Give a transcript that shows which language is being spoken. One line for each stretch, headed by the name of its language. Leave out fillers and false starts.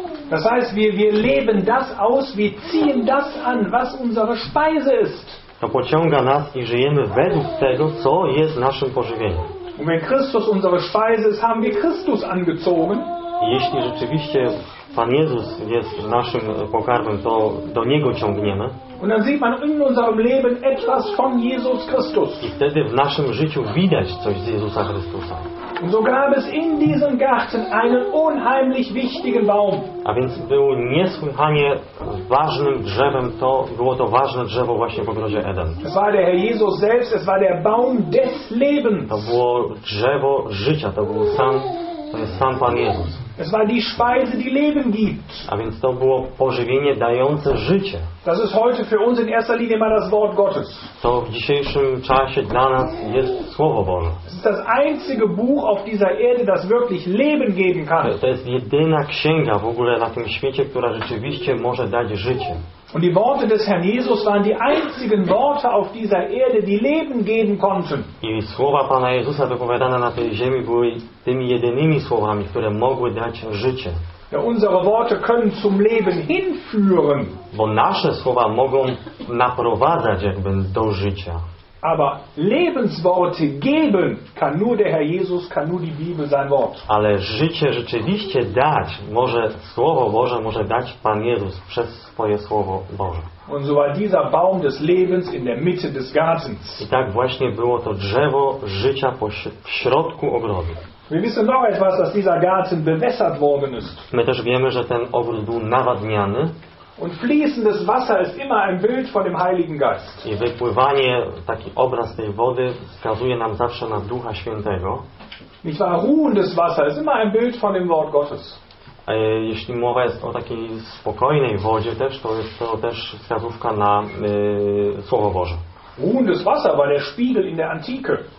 German: Das heißt, wir leben das aus, wir ziehen das an, was unsere Speise ist.
Polish: To pociąga nas i żyjemy według tego, co jest naszym pożywieniem.
German: Und wenn Christus unsere Speise ist, haben wir Christus angezogen.
Polish: Jeśli rzeczywiście Pan Jezus jest naszym pokarmem, to do Niego ciągniemy.
German: Und dann sieht man in unserem Leben etwas von Jesus Christus.
Polish: I wtedy w naszym życiu widać coś z Jezusa Chrystusa.
German: Und so gab es in diesem Garten einen unheimlich wichtigen Baum.
Polish: A więc było niesłychanie ważnym drzewem, to było to ważne drzewo właśnie w ogrodzie Eden.
German: Es war der Herr Jesus selbst, es war der Baum des Lebens.
Polish: To było drzewo życia, to był sam, to jest sam Pan Jezus.
German: Es war die Speise, die Leben gibt.
Polish: A więc to było pożywienie dające życie.
German: Das ist heute für uns in erster Linie mal das Wort Gottes.
Polish: To w dzisiejszym czasie dla nas jest Słowo Boże.
German: Es ist das einzige Buch auf dieser Erde, das wirklich Leben geben kann.
Polish: To jest jedyna księga w ogóle na tym świecie, która rzeczywiście może dać życie.
German: Und die Worte des Herrn Jesus waren die einzigen Worte auf dieser Erde, die Leben geben konnten.
Polish: I słowa Pana Jezusa wypowiadane na tej ziemi były tymi jedynymi słowami, które mogły dać życie.
German: Ja, unsere Worte können zum Leben hinführen.
Polish: Bo nasze słowa mogą naprowadzać jakby do życia.
German: Aber Lebensworte geben kann nur der Herr Jesus, kann nur die Bibel, sein Wort.
Polish: Ale życie rzeczywiście dać może Słowo Boże, może dać Pan Jezus przez swoje Słowo Boże.
German: Und so war dieser Baum des Lebens in der Mitte des Gartens.
Polish: I tak właśnie było to drzewo życia w środku ogrodu.
German: Wir wissen noch etwas, dass dieser Garten bewässert worden ist.
Polish: My też wiemy, że ten ogród był nawadniany.
German: Und fließendes Wasser ist immer ein Bild von dem Heiligen Geist.
Polish: I wypływanie, taki obraz tej wody wskazuje nam zawsze na Ducha Świętego.
German: Nicht wahr? Ruhendes Wasser ist immer ein Bild von dem Wort Gottes.
Polish: Jeśli mowa jest o takiej spokojnej wodzie też, to jest to też wskazówka na Słowo Boże.
German: Ruhendes Wasser war der Spiegel in der Antike.